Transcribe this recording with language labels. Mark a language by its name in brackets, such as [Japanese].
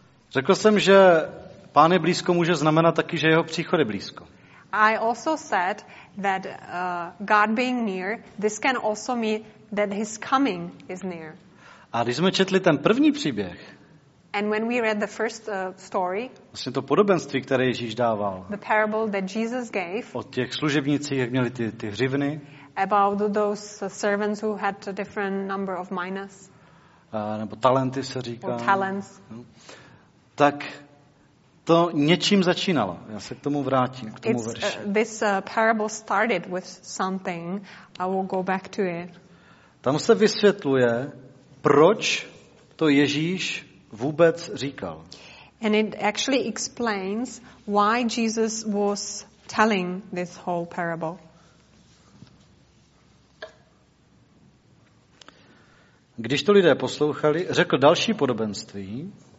[Czech] Řekl jsem, že Pán je blízko může znamenat taky, že jeho příchod je blízko. [English] I also said that God being near, this can also mean that his coming is near. [Czech] A když jsme četli ten první příběh. [English] And when we read the first story. [Czech] Vlastně to podobenství, které Ježíš dával. [English] The parable that Jesus gave. [Czech] O těch služebnicích, jak měli ty hřivny. [English] About those servants who had a different number of minas. [Czech] Nebo talenty se říká. [English] Or talents. [Czech] Tak to něčím začínalo. Já se k tomu vrátím, k tomu verši. [English] This parable started with something. I will go back to it. [Czech] Tam se vysvětluje, proč to Ježíš vůbec říkal. [English] And it actually explains why Jesus was telling this whole parable. [Czech] Když to lidé poslouchali, řekl další podobenství.